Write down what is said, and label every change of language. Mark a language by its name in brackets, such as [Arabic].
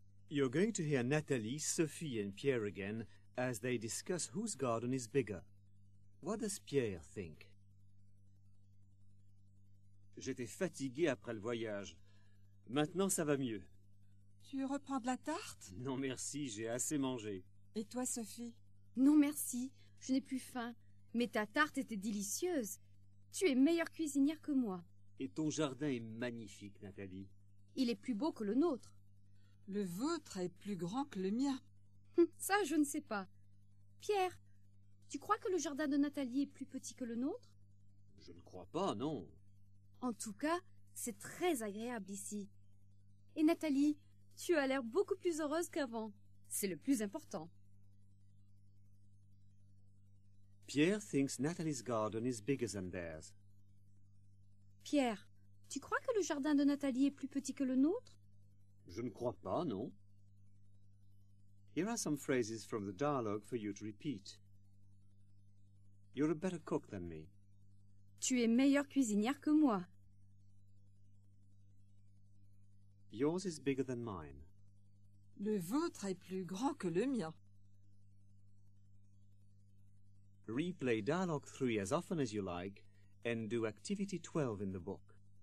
[English] You're going to hear Nathalie, Sophie and Pierre again as they discuss whose garden is bigger. What does Pierre think? [French] J'étais fatigué après le voyage. Maintenant, ça va mieux. Tu reprends de la tarte? Non, merci, j'ai assez mangé. Et toi, Sophie? Non, merci, je n'ai plus faim. Mais ta tarte était délicieuse. Tu es meilleure cuisinière que moi. Et ton jardin est magnifique, Nathalie. Il est plus beau que le nôtre. Le vôtre est plus grand que le mien. Ça, je ne sais pas. Pierre, tu crois que le jardin de Nathalie est plus petit que le nôtre? Je ne crois pas, non. En tout cas, c'est très agréable ici. Et Nathalie, tu as l'air beaucoup plus heureuse qu'avant. C'est le plus important. [English] Pierre thinks Nathalie's garden is bigger than theirs. [French] Pierre, tu crois que le jardin de Nathalie est plus petit que le nôtre? Je ne crois pas, non. [English] Here are some phrases from the dialogue for you to repeat. You're a better cook than me. [French] Tu es meilleure cuisinière que moi. [English] Yours is bigger than mine. [French] Le vôtre est plus grand que le mien. [English] Replay dialogue 3 as often as you like and do activity 12 in the book.